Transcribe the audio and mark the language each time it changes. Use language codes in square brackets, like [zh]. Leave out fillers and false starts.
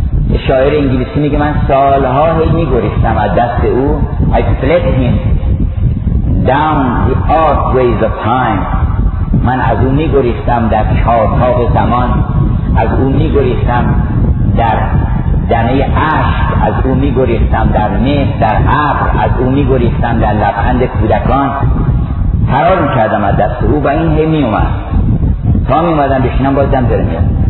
[fa] یه شاعر انگلیسی میگه من سالها هی میگریستم از دست او. [en] I fled him down the archways of time. [fa] من از او میگریستم در چارتاق زمان، از او میگریستم در دنه عشق، از او میگریستم در مهر، در عبر، از او میگریستم در لبخند کودکان. فرار میکردم از دست او و این هی میومد، تا میومدم بشینم بازدم داره میاد.